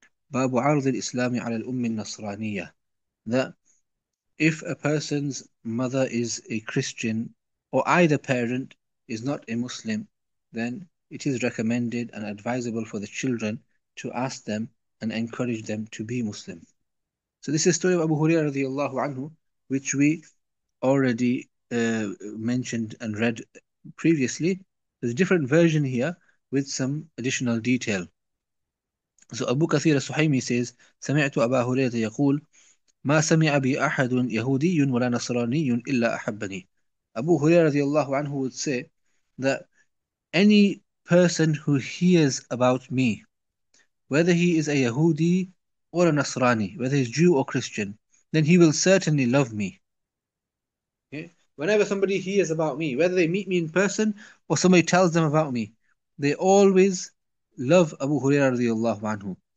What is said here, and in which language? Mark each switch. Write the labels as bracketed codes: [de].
[en] Babu arz al-Islam ala al-umm al-Nasraniya. That if a person's mother is a Christian, or either parent is not a Muslim, then it is recommended and advisable for the children to ask them and encourage them to be Muslim. So this is the story of Abu Huraira radiallahu anhu, which we already mentioned and read previously. There's a different version here with some additional detail. [ar] So Abu Kathir al-Suhaimi says, سَمِعْتُ أَبَا هُرَيْرَةَ يَقُولُ مَا سَمِعَ بِي أَحَدٌ يَهُودِيٌ وَلَا نَصْرَانِيٌ إِلَّا أَحَبَّنِي. [en] Abu Huraira radiallahu anhu would say that any person who hears about me, whether he is a Yahudi or a Nasrani, whether he's Jew or Christian, then he will certainly love me. Okay? Whenever somebody hears about me, whether they meet me in person or somebody tells them about me, they always love Abu Huraira radiallahu anhu.